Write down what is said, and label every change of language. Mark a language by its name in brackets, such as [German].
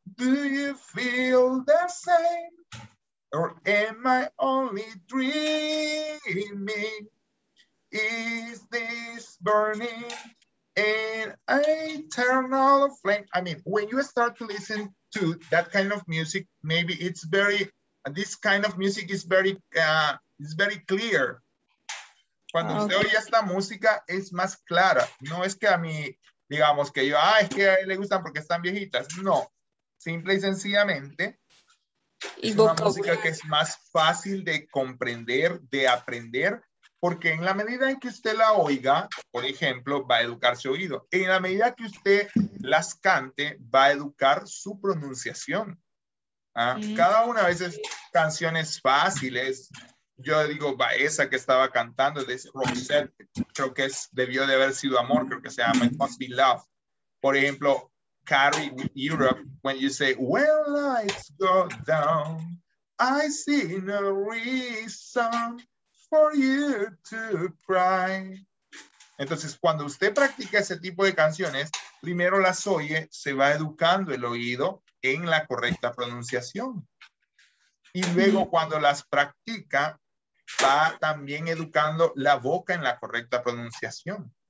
[English] Do you feel the same? Or am I only dreaming? Is this burning? An eternal flame. I mean, when you start to listen to that kind of music, maybe it's very, this kind of music is very, it's very clear. [Spanish] Cuando usted oye esta música, es más clara. No es que a mí, digamos que yo, es que a él le gustan porque están viejitas. No, simple y sencillamente, es una música que es más fácil de comprender, de aprender. Porque en la medida en que usted la oiga, por ejemplo, va a educar su oído. En la medida que usted las cante, va a educar su pronunciación. ¿Ah? Mm. Cada una a veces canciones fáciles. Yo digo, va esa que estaba cantando, de Roxette, creo que debió de haber sido amor, creo que se llama It Must Be Love. Por ejemplo, [English] Carrie with Europe, when you say, when lights go down, I see no reason for you to cry. [Spanish] Entonces, cuando usted practica ese tipo de canciones, primero las oye, se va educando el oído en la correcta pronunciación. Y luego, cuando las practica, va también educando la boca en la correcta pronunciación.